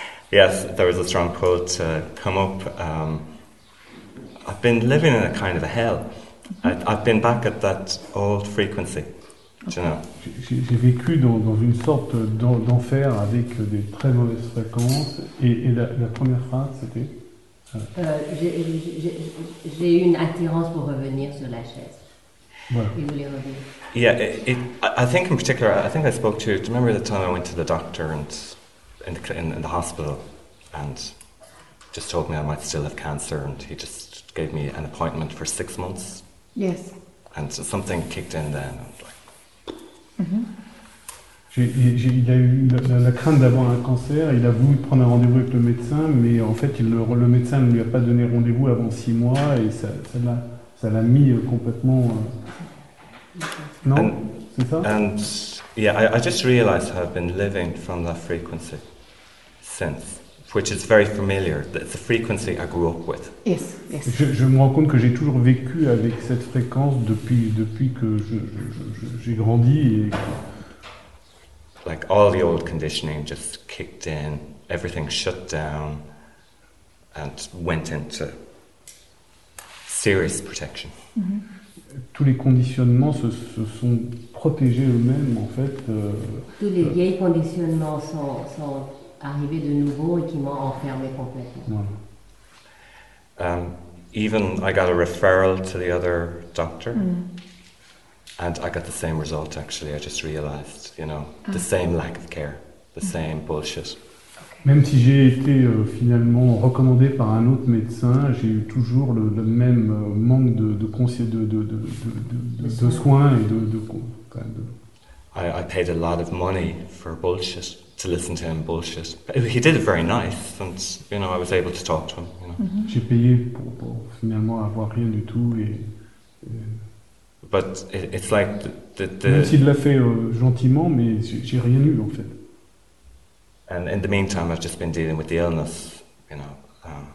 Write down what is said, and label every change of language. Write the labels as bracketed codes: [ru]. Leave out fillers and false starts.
[en] Yes, there was a strong pull to come up. I've been living in a kind of a hell. I've been back at that old frequency. [fr] J'ai vécu dans une sorte d'enfer avec des très mauvaises fréquences et la première phrase c'était J'ai eu une attirance pour revenir sur la chaise. Voilà. Il voulait revenir. [en] Yeah, I think in particular, I think I spoke to you. Do you remember the time I went to the doctor and in the hospital and just told me I might still have cancer and he just gave me an appointment for 6 months? Yes. And so something kicked in then. [fr] Il a eu la crainte d'avoir un cancer, il a voulu prendre un rendez-vous avec le médecin, mais en fait le médecin ne lui a pas donné rendez-vous avant 6 mois et ça l'a mis complètement. Non, [en] and, [fr] c'est ça. [en] And yeah, I just realized I've been living from that frequency since, which is very familiar. It's the frequency I grew up with. Yes, yes. [fr] Je me rends compte que j'ai toujours vécu avec cette fréquence depuis que j'ai grandi. Et... [en] Like all the old conditioning just kicked in, everything shut down, and went into serious protection. Mm-hmm. [fr] Tous les conditionnements se sont protégés eux-mêmes, en fait. Tous les vieux conditionnements sont arrivés de nouveau et qui m'ont enfermé complètement. Voilà. [en] Even I got a referral to the other doctor, and I got the same result. Actually, I just realized, you know, the same lack of care, the same bullshit. [fr] Même si j'ai été finalement recommandé par un autre médecin, j'ai eu toujours le même manque de soins et de. [en] I paid a lot of money for bullshit to listen to him bullshit. He did it very nice, and you know I was able to talk to him. You know. Mm-hmm. [fr] J'ai payé pour finalement avoir rien du tout et. [en] But it's like the. [fr] Même s'il l'a fait gentiment, mais j'ai rien eu en fait. [en] And in the meantime, I've just been dealing with the illness, you know.